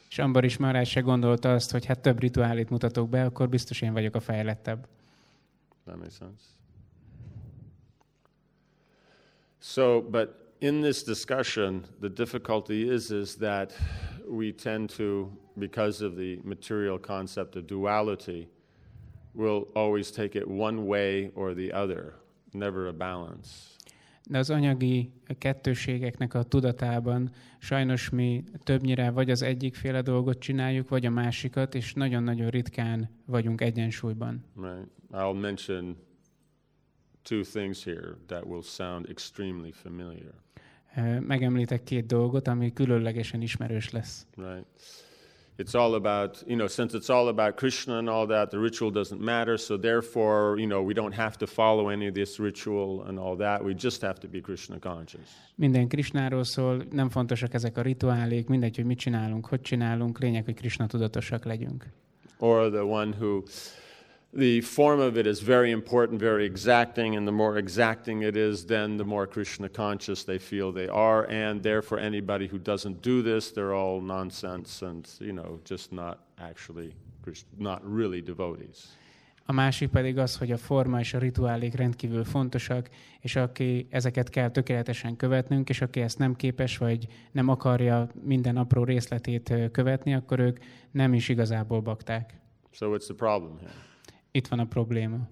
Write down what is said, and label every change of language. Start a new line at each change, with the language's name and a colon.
Hungarian: És Ambarish Maharaj se gondolta azt, hogy hát több rituálit mutatok be, akkor biztos én vagyok a fejlettebb.
English: Does that make sense? So, but in this discussion, the difficulty is that we tend to, because of the material concept of duality, we'll always take it one way or the other, never a balance.
Hungarian: De az anyagi kettőségeknek a tudatában sajnos mi többnyire vagy az egyikféle dolgot csináljuk, vagy a másikat, és nagyon-nagyon ritkán vagyunk egyensúlyban.
English: Right. I'll mention two things here that will sound extremely familiar.
Hungarian: Megemlítek két dolgot, ami különlegesen ismerős lesz.
English: Right. It's all about, you know, since it's all about Krishna and all that, the ritual doesn't matter, so therefore, you know, we don't have to follow any of this ritual and all that, we just have to be Krishna conscious.
Hungarian: Minden Krishnáról szól, nem fontosak ezek a rituálék, mindegy, hogy mit csinálunk, hogy csinálunk, lényeg, hogy Krishna tudatosak legyünk.
English: Or the one who, the form of it is very important, very exacting, and the more exacting it is, then the more Krishna conscious they feel they are, and therefore anybody who doesn't do this, they're all nonsense and, you know, just not actually, not really devotees.
Hungarian: A másik pedig az, hogy a forma és a rituálék rendkívül fontosak, és aki ezeket kell tökéletesen követnünk, és aki ezt nem képes, vagy nem akarja minden apró részletét követni, akkor ők nem is igazából bakták.
English: So what's the problem here?
Hungarian: Itt van a probléma.